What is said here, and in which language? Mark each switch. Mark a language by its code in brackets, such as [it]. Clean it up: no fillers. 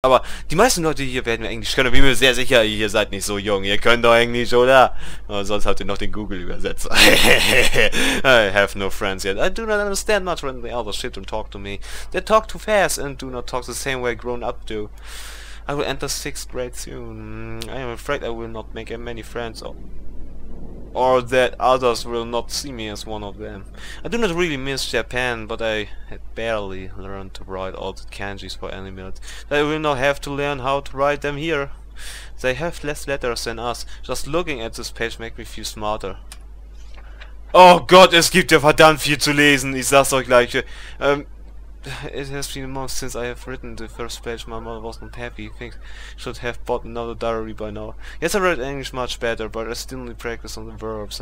[de] Aber die meisten Leute hier werden Englisch können, bin mir sehr sicher, ihr seid nicht so jung, ihr könnt doch Englisch, oder? Sonst habt ihr noch den Google-Übersetzer. [en] I have no friends yet. I do not understand much when the elders sit and talk to me. They talk too fast and do not talk the same way grown up do. I will enter sixth grade soon. I am afraid I will not make many friends or that others will not see me as one of them. I do not really miss Japan, but I had barely learned to write all the kanjis for any minute. I will not have to learn how to write them here. They have less letters than us. Just looking at this page makes me feel smarter. [de] Oh Gott, es gibt ja verdammt viel zu lesen, ich sag's euch gleich. [en] It has been months since I have written the first page. My mother was not happy. Things should have bought another diary by now. Yes, I read English much better, but I still need practice on the verbs.